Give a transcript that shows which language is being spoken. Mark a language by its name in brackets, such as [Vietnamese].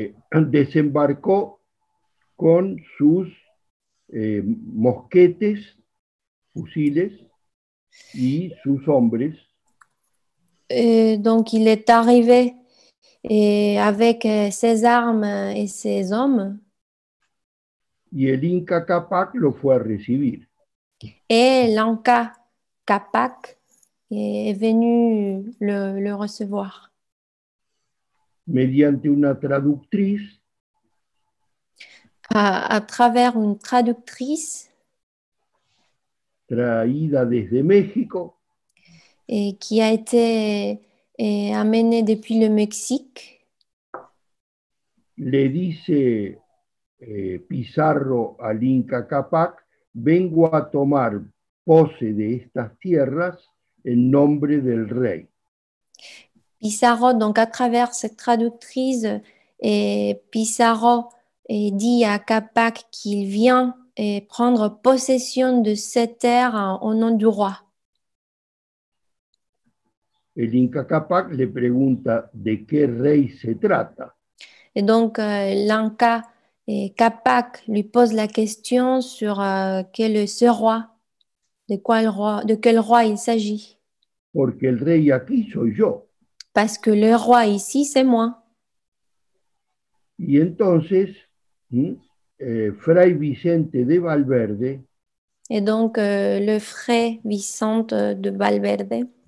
[Spanish] Desembarcó con sus mosquetes, fusiles y sus hombres. [French] Donc il est arrivé avec ses armes et ses hommes. [Spanish] Y el Inca Capac lo fue a recibir. [French] Et l'Inca Capac est venu le recevoir. [Spanish] Mediante una traductriz. [French] À travers une traductrice. [Spanish] Traída desde México. [French] Et qui a été amenée depuis le Mexique. [Spanish] Le dice Pizarro al Inca Capac, vengo a tomar pose de estas tierras en nombre del rey. [French] Pizarro, donc à travers cette traductrice, Pizarro dit à Capac qu'il vient prendre possession de cette terre au nom du roi. [Spanish] El Inca Capac le pregunta de qué rey se trata. [French] Et donc l'Inca Capac lui pose la question sur quel est ce roi, de quel roi il s'agit. [Spanish] Porque el rey aquí soy yo. [French] Parce que le roi ici, c'est moi. [Spanish] Y entonces, Fray Vicente de Valverde. [French] Et donc, le frère Vicente de Valverde.